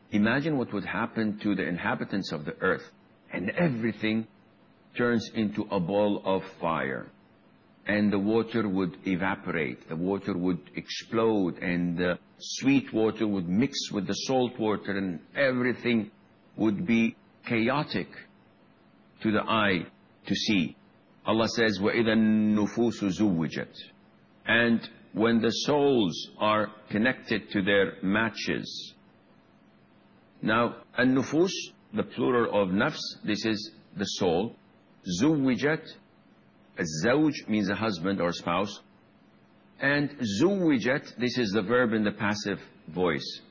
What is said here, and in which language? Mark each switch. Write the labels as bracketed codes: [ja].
[en] Imagine what would happen to the inhabitants of the earth. And everything turns into a ball of fire. And the water would evaporate, the water would explode, and the sweet water would mix with the salt water, and everything would be chaotic to the eye to see. Allah says, [ar] وَإِذَا النُّفُوسُ زُوِّجَتْ. [en] And when the souls are connected to their matches. Now, النُّفُوس, the plural of nafs, this is the soul. [ar] زُوِّجَتْ. [en] A zawj means a husband or spouse. And zuwijat, this is the verb in the passive voice.